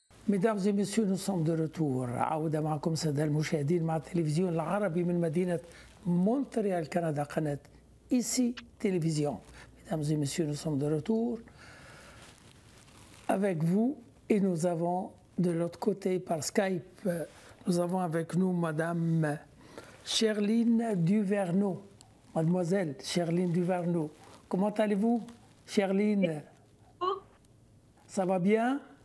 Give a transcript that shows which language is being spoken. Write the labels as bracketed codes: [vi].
[fr] Mesdames et messieurs, nous sommes de retour. [ar] عودة معكم سادة المشاهدين مع التلفزيون العربي من مدينة مونتريال كندا قناة ICI Télévision. [fr] Mesdames et messieurs, nous sommes de retour avec vous et nous avons de l'autre côté par Skype, nous avons avec nous Madame Cherline Duverneau. Mademoiselle Cherline Duverneau, comment allez-vous, Cherline? Ça va bien?